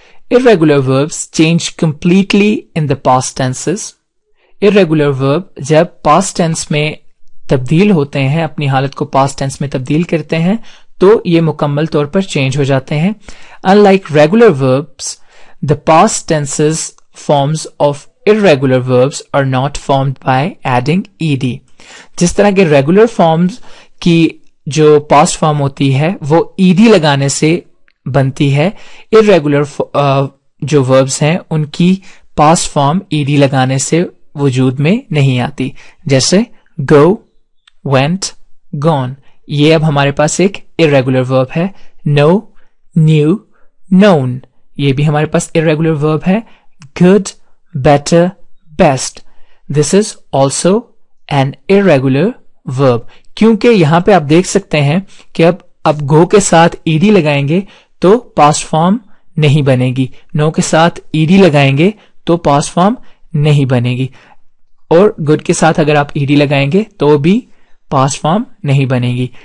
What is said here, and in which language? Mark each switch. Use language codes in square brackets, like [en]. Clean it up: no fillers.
[en] Irregular verbs change completely in the past tenses. [ur] Irregular verb جب past tense میں تبدیل ہوتے ہیں, اپنی حالت کو past tense میں تبدیل کرتے ہیں, تو یہ مکمل طور پر change ہو جاتے ہیں. [en] Unlike regular verbs, the past tenses forms of irregular verbs are not formed by adding ed. [ur] جس طرح کے regular forms کی جو past form ہوتی ہے وہ ed لگانے سے بنتی ہے, irregular جو verbs ہیں ان کی past form ed لگانے سے وجود میں نہیں آتی. جیسے go, went, gone, یہ اب ہمارے پاس ایک irregular verb ہے. know, knew, known, یہ بھی ہمارے پاس irregular verb ہے. [en] good, better, best, this is also an irregular verb. [ur] کیونکہ یہاں پہ آپ دیکھ سکتے ہیں کہ اب go کے ساتھ ed لگائیں گے تو past form نہیں بنے گی, no کے ساتھ ed لگائیں گے تو past form نہیں بنے گی, اور good کے ساتھ اگر آپ ed لگائیں گے تو بھی past form نہیں بنے گی.